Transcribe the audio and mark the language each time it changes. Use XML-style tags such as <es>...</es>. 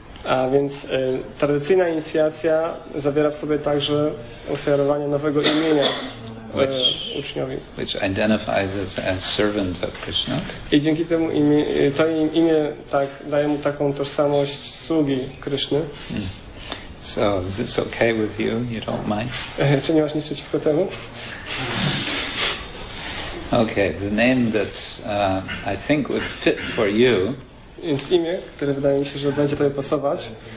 <pl>A więc tradycyjna inicjacja zawiera w sobie także ofiarowanie nowego imienia uczniowi.</pl> <en>Which identifies us as servant of Krishna.</en> <pl>I dzięki temu imię tak daje mu taką tożsamość sługi Kryszny.</pl> <en>So is this okay with you? You don't mind?</en> <pl>Czy nie masz nic przeciwko temu?</pl> <en>Okay, the name that I think would fit for you.</en> <pl>Więc imię, które wydaje mi się, że będzie tutaj pasować,</pl>